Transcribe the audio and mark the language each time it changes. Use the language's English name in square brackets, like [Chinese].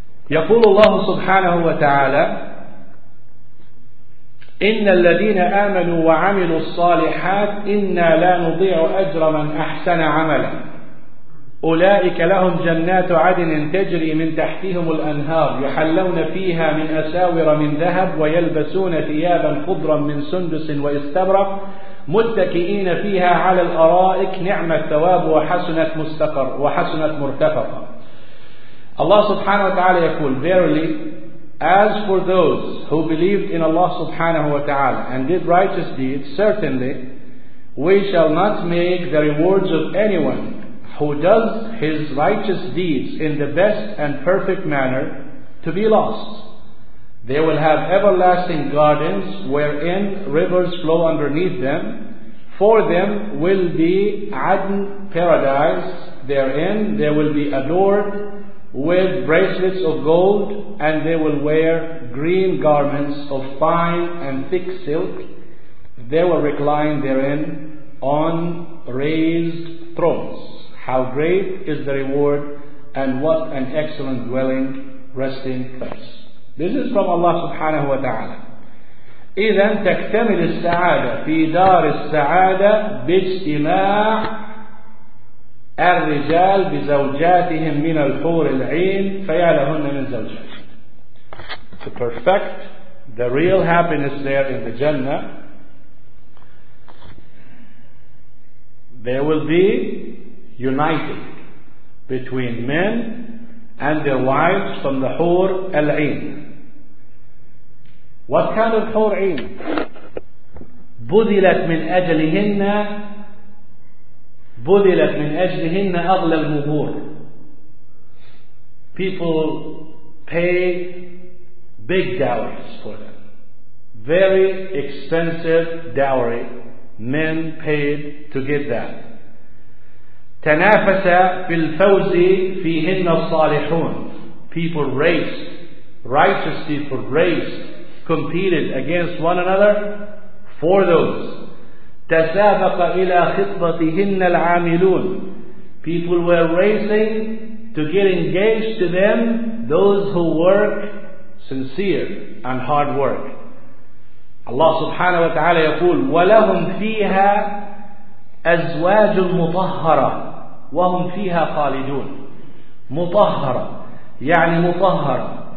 [Arabic] يقول الله سبحانه وتعالى إن الذين آمنوا وعملوا الصالحات إنا لا نضيع أجر من أحسن عملا أولئك لهم جنات عدن تجري من تحتهم الأنهار يحلون فيها من أساور من ذهب ويلبسون ثيابا خضرا من سندس وإستبرق متكئين فيها على الأرائك نعم الثواب وحسنت مستقر وحسنت مرتفقا. [English] Allah subhanahu wa ta'ala [Arabic] يقول [English] verily, as for those who believed in Allah subhanahu wa ta'ala and did righteous deeds, certainly we shall not make the rewards of anyone who does his righteous deeds in the best and perfect manner to be lost. They will have everlasting gardens wherein rivers flow underneath them. For them will be Adn paradise, therein they will be adored with bracelets of gold, and they will wear green garments of fine and thick silk. They will recline therein on raised thrones. How great is the reward, and what an excellent dwelling, resting place. This is from Allah subhanahu wa ta'ala. [Arabic] إِذَن تَكْتَمِلِ السَّعَادَ فِي دَارِ السَّعَادَ بِاجْتِمَاعِ الرجال بزوجاتهم من الحور العين فيا لهن من زوجات. [English] To perfect the real happiness there in the Jannah, there will be uniting between men and their wives from the حور العين. What kind of حور عين? [Arabic] بذلت من أجلهن. بُذِلَتْ مِنْ أَجْلِهِنَّ أَغْلَى الْمُهُورِ. [English] People pay big dowries for them. Very expensive dowry men paid to get that. [Arabic] تَنَافَسَ فِي الْفَوْزِ فِيهِنَّ الصَّالِحُونَ. [English] People raced, righteous people raced, competed against one another for those. [Arabic] تسابق إلى خطبتهن العاملون. [English] People were racing to get engaged to them, those who work sincere and hard work. [Arabic] Allah subhanahu wa ta'ala يقول ولهم فيها أزواج مطهرة وهم فيها خالدون. مطهرة يعني مطهرة